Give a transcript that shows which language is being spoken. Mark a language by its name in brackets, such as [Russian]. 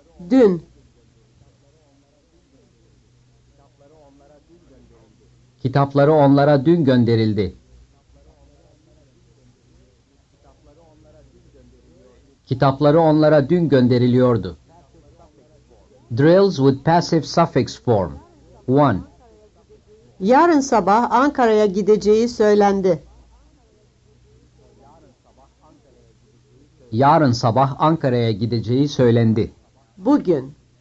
[Turkish] Dün. Kitapları onlara dün gönderildi. Kitapları onlara dün gönderiliyordu. [English] Drills with passive suffix form. 1. [Turkish] Yarın sabah Ankara'ya gideceği söylendi. yarın sabah Ankara'ya gideceği söylendi. Bugün.